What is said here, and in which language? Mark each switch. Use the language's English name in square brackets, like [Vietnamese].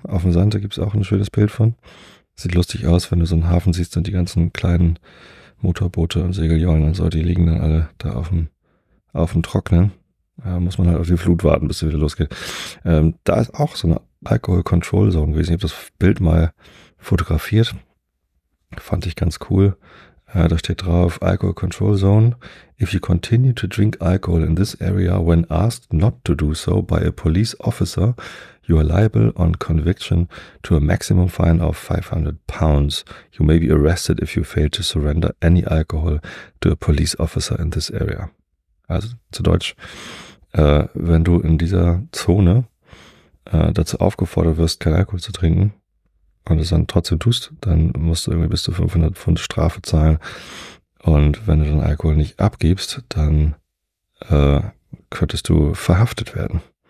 [German] Auf dem Sand, da gibt es auch ein schönes Bild von. Sieht lustig aus, wenn du so einen Hafen siehst und die ganzen kleinen Motorboote und Segeljollen und so, die liegen dann alle da auf dem Trocknen. Da muss man halt auf die Flut warten, bis sie wieder losgeht. Da ist auch so eine Alkohol-Control-Zone gewesen. Ich habe das Bild mal fotografiert. Fand ich ganz cool. Da steht drauf, Alkohol-Control-Zone. [English] If you continue to drink alcohol in this area when asked not to do so by a police officer, you are liable on conviction to a maximum fine of £500. You may be arrested if you fail to surrender any alcohol to a police officer in this area. [German] Also zu Deutsch, wenn du in dieser Zone dazu aufgefordert wirst, kein Alkohol zu trinken und es dann trotzdem tust, dann musst du irgendwie bis zu 500 Pfund Strafe zahlen. Und wenn du dann Alkohol nicht abgibst, dann könntest du verhaftet werden.